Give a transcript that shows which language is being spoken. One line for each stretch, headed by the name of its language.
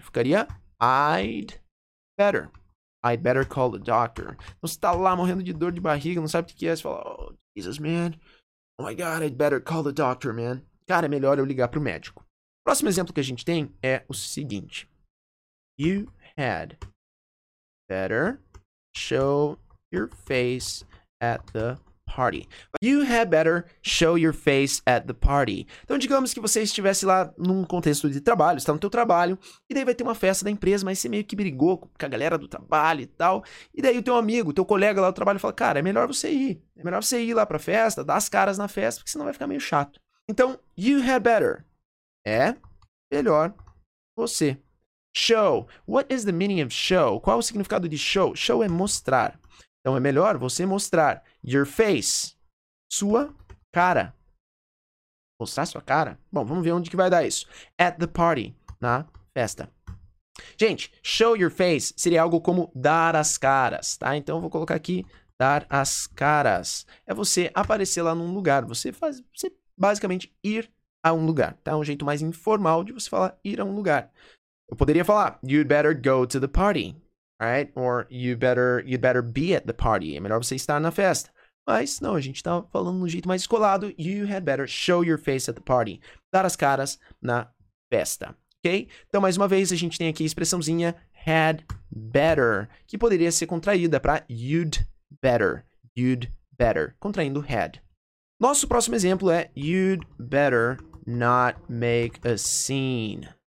Portuguese: Ficaria
English: I'd better. I'd better call the doctor.
Portuguese: Então, você está lá morrendo de dor de barriga, não sabe o que é. Você fala,
English: oh, Jesus, man. Oh, my God, I'd better call the doctor, man.
Portuguese: Cara, é melhor eu ligar para o médico. Próximo exemplo que a gente tem é o seguinte.
English: You had better show your face at the party. You had better show your face at the party.
Portuguese: Então, digamos que você estivesse lá num contexto de trabalho, você está no teu trabalho, e daí vai ter uma festa da empresa, mas você meio que brigou com a galera do trabalho e tal, e daí o teu amigo, teu colega lá do trabalho fala, cara, é melhor você ir. É melhor você ir lá pra festa, dar as caras na festa, porque senão vai ficar meio chato. Então,
English: you had better
Portuguese: é melhor você. Show.
English: What is the meaning of show?
Portuguese: Qual o significado de show? Show é mostrar. Então, é melhor você mostrar
English: your face,
Portuguese: sua cara. Mostrar sua cara? Bom, vamos ver onde que vai dar isso.
English: At the party,
Portuguese: na festa. Gente,
English: show your face
Portuguese: seria algo como dar as caras, tá? Então, eu vou colocar aqui, dar as caras. É você aparecer lá num lugar. Você faz, você basicamente ir a um lugar, tá? É um jeito mais informal de você falar ir a um lugar.
English: Eu poderia falar, you'd better go to the party, right? Or you'd better be at the party.
Portuguese: É melhor você estar na festa. Mas, não, a gente tá falando no jeito mais escolado.
English: You had better show your face at the party.
Portuguese: Dar as caras na festa, ok? Então, mais uma vez, a gente tem aqui a expressãozinha
English: had better,
Portuguese: que poderia ser contraída para you'd better, contraindo had. Nosso próximo exemplo é
English: you'd better not make a scene.